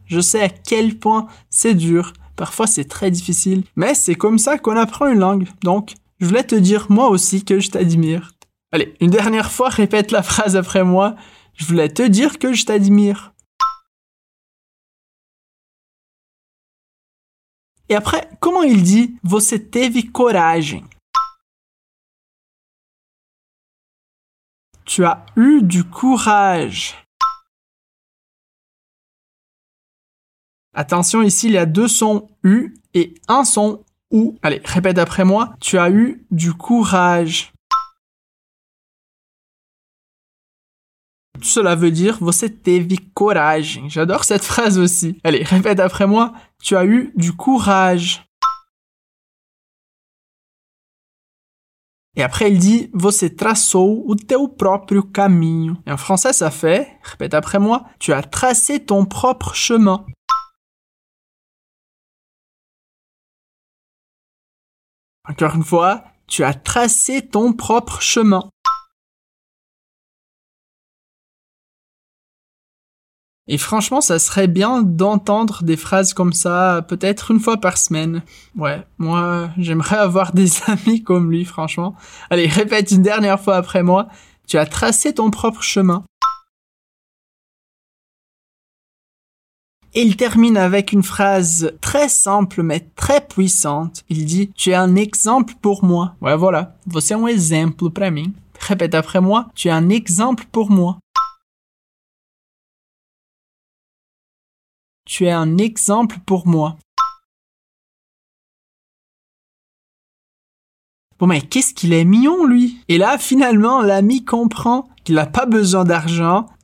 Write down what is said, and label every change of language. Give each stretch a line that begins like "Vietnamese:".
French: Je sais à quel point c'est dur. Parfois, c'est très difficile. Mais c'est comme ça qu'on apprend une langue. Donc, je voulais te dire moi aussi que je t'admire. Allez, une dernière fois, répète la phrase après moi. Je voulais te dire que je t'admire. Et après, comment il dit «
Portuguese: Você teve coragem » ?
French: Tu as eu du courage. Attention, ici, il y a deux sons « u » et un son « ou ». Allez, répète après moi. Tu as eu du courage. Tout cela veut dire «
Portuguese: Você teve coragem ».
French: J'adore cette phrase aussi. Allez, répète après moi. Tu as eu du courage. Et après, il dit «
Portuguese: Você traçou o teu próprio caminho ».
French: Et en français, ça fait, répète après moi, « Tu as tracé ton propre chemin ». Encore une fois, « Tu as tracé ton propre chemin ». Et franchement, ça serait bien d'entendre des phrases comme ça, peut-être une fois par semaine. Ouais, moi, j'aimerais avoir des amis comme lui, franchement. Allez, répète une dernière fois après moi. Tu as tracé ton propre chemin. Et il termine avec une phrase très simple, mais très puissante. Il dit, tu es un exemple pour moi. Ouais, voilà,
Portuguese: você é um exemplo pra mim.
French: Répète après moi, tu es un exemple pour moi. Tu es un exemple pour moi. Bon, mais qu'est-ce qu'il est mignon, lui? Et là, finalement, l'ami comprend qu'il n'a pas besoin d'argent.